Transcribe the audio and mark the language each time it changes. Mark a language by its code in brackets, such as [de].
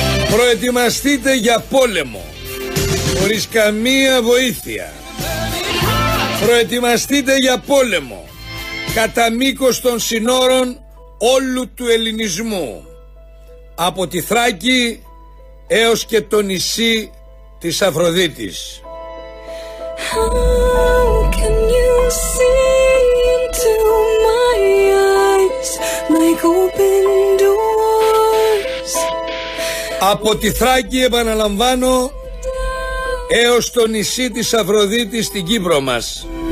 [el] Προετοιμαστείτε για πόλεμο χωρίς καμία βοήθεια. Προετοιμαστείτε για πόλεμο κατά μήκος των συνόρων όλου του ελληνισμού, από τη Θράκη έως και το νησί της Αφροδίτης. [en] How can you see into my eyes like open doors? [el] Από τη Θράκη, επαναλαμβάνω, έως το νησί της Αφροδίτης στην Κύπρο μας.